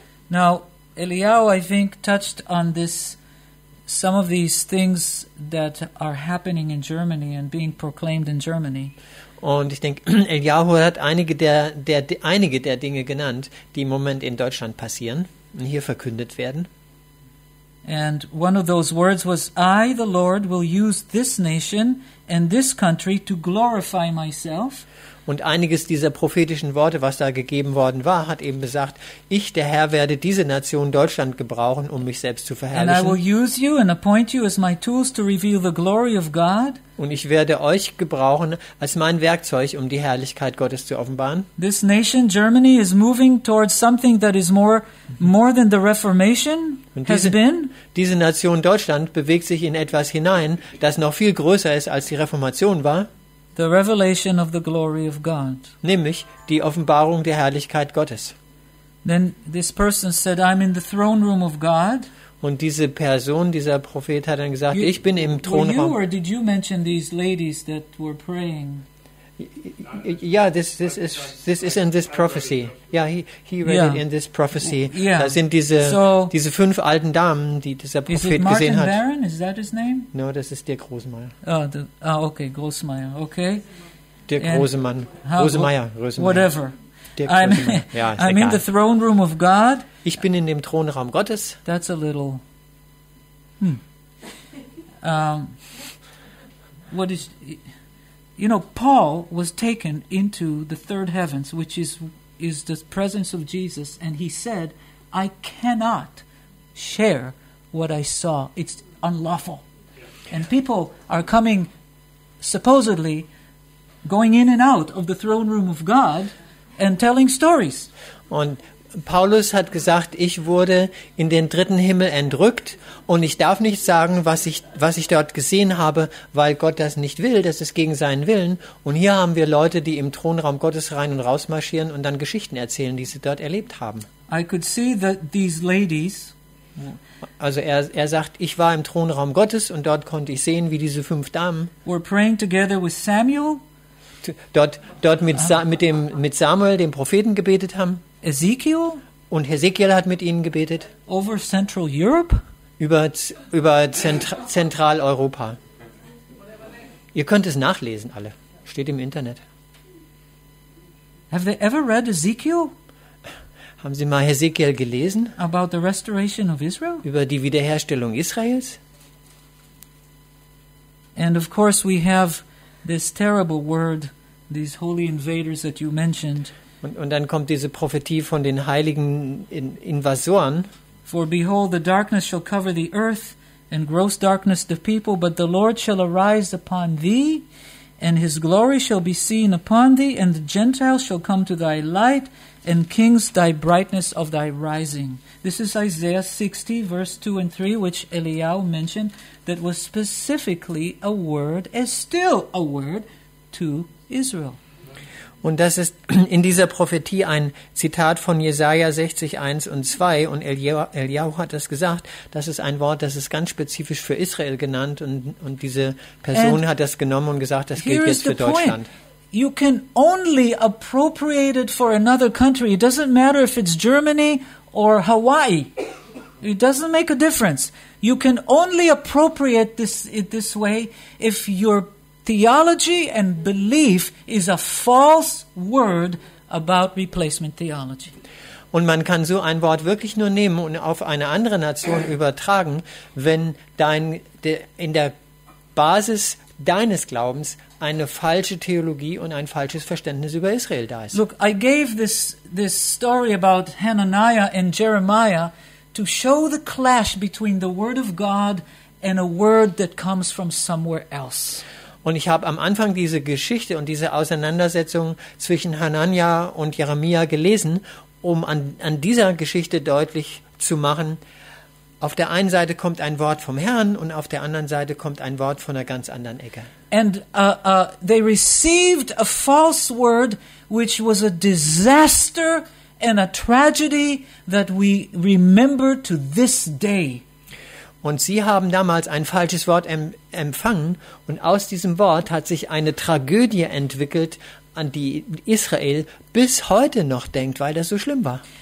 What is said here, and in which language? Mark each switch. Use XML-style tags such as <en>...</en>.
<en>Now, Eliyahu, I think, touched on this. Some of these things that are happening in Germany and being proclaimed in Germany.</en> <de>Und ich denke, Eliyahu hat einige der Dinge genannt, die im Moment in Deutschland passieren und hier verkündet werden.</de> <en>And one of those words was, I, the Lord, will use this nation and this country to glorify myself.</en> <de>Und einiges dieser prophetischen Worte, was da gegeben worden war, hat eben besagt, ich, der Herr, werde diese Nation Deutschland gebrauchen, um mich selbst zu verherrlichen. Und ich werde euch gebrauchen als mein Werkzeug, um die Herrlichkeit Gottes zu offenbaren.</de> <en>This nation, Germany, is moving towards something that is more than the Reformation has been.</en> <de>Diese Nation Deutschland bewegt sich in etwas hinein, das noch viel größer ist, als die Reformation war.</de> <en>The revelation of the glory of God.</en> <de>Nämlich die Offenbarung der Herrlichkeit Gottes.</de> <en>Then this person said, "I'm in the throne room of God."</en> <de>Und diese Person, dieser Prophet, hat dann gesagt, ich bin im Thronraum.</de> <en>Were you or did you mention these ladies that were praying? Yeah, this is in this prophecy. Yeah, he read it in this prophecy. Yeah.</en> <de>Da sind diese fünf alten Damen, die dieser Prophet gesehen hat.</de> <en>Is it Martin Baron? Is that his name?</en> <de>No, das ist Dirk Rosemeyer. Großmeier. Okay. Dirk Rosemann. Rosemeyer.</de> <en>Whatever.</en> <de>Dirk Rosemeyer. Ja,</de> <en>I'm in the throne room of God.</en> <de>Ich bin in dem Thronraum Gottes.</de> <en>That's a little. What is? You know, Paul was taken into the third heavens, which is the presence of Jesus, and he said, I cannot share what I saw. It's unlawful. And people are coming, supposedly, going in and out of the throne room of God and telling stories.</en> <de>Und Paulus hat gesagt, ich wurde in den dritten Himmel entrückt und ich darf nicht sagen, was ich dort gesehen habe, weil Gott das nicht will, das ist gegen seinen Willen. Und hier haben wir Leute, die im Thronraum Gottes rein und raus marschieren und dann Geschichten erzählen, die sie dort erlebt haben.</de> <en>I could see that these ladies.</en> <de>Also er sagt, ich war im Thronraum Gottes und dort konnte ich sehen, wie diese fünf Damen</de> <en>were praying together with Samuel.</en> <de>Dort mit Samuel, dem Propheten, gebetet haben.</de> <en>Ezekiel?</en> <de>Und Ezekiel hat mit ihnen gebetet.</de> <en>Over Central Europe?</en> <de>Über Zentraleuropa. Ihr könnt es nachlesen, alle. Steht im Internet.</de> <en>Have they ever read Ezekiel?</en> <de>Haben Sie mal Ezekiel gelesen?</de> <en>About the restoration of Israel?</en> <de>Über die Wiederherstellung Israels?</de> <en>And of course we have this terrible word, these holy invaders that you mentioned.</en> <de>Und dann kommt diese Prophetie von den heiligen Invasoren.</de> <en>For behold, the darkness shall cover the earth, and gross darkness the people, but the Lord shall arise upon thee, and his glory shall be seen upon thee, and the Gentiles shall come to thy light, and kings thy brightness of thy rising. This is Isaiah 60, verse 2 and 3, which Eliyahu mentioned, that was specifically a word, is still a word, to Israel.</en> <de>Und das ist in dieser Prophetie ein Zitat von Jesaja 60, 1 und 2. Und Eliyahu hat das gesagt. Das ist ein Wort, das ist ganz spezifisch für Israel genannt. Und diese Person hat das genommen und gesagt, das gilt jetzt für Deutschland.</de> <en>You can only appropriate it for another country. It doesn't matter if it's Germany or Hawaii. It doesn't make a difference. You can only appropriate this way if you're theology and belief is a false word about replacement theology.</en> <de>Und man kann so ein Wort wirklich nur nehmen und auf eine andere Nation übertragen, wenn in der Basis deines Glaubens eine falsche Theologie und ein falsches Verständnis über Israel da ist.</de> <en>Look, I gave this story about Hananiah and Jeremiah to show the clash between the word of God and a word that comes from somewhere else.</en> <de>Und ich habe am Anfang diese Geschichte und diese Auseinandersetzung zwischen Hananiah und Jeremia gelesen, um an dieser Geschichte deutlich zu machen, auf der einen Seite kommt ein Wort vom Herrn und auf der anderen Seite kommt ein Wort von einer ganz anderen Ecke.</de> <en>And they received a false word which was a disaster and a tragedy that we remember to this day.</en> <de>Und sie haben damals ein falsches Wort empfangen und aus diesem Wort hat sich eine Tragödie entwickelt, an die Israel bis heute noch denkt, weil das so schlimm war.</de>